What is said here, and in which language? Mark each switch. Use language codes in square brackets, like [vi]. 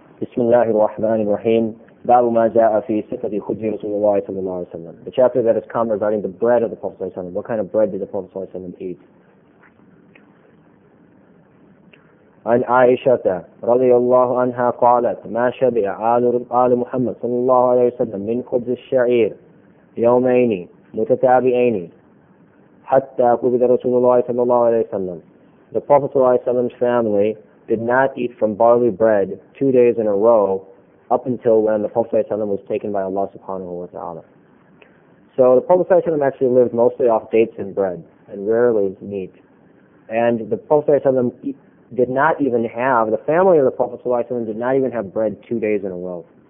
[ar] بسم الله الرحمن الرحيم باب ما جاء في صفه خبز رسول الله صلى الله عليه وسلم. [en] The chapter that has come regarding the bread of the Prophet صلى الله عليه وسلم. What kind of bread did the Prophet صلى الله عليه وسلم eat? [ar] عن عائشة رضي الله عنها قالت ما شبع آل محمد صلى الله عليه وسلم من خبز الشعير يومين متتابعين حتى قبض رسول الله صلى الله عليه وسلم. [en] The Prophet صلى الله عليه وسلم's family did not eat from barley bread 2 days in a row up until when the Prophet ﷺ was taken by Allah subhanahu wa ta'ala. So the Prophet ﷺ actually lived mostly off dates and bread and rarely meat. And the Prophet ﷺ did not even have, the family of the Prophet ﷺ did not even have bread 2 days in a row.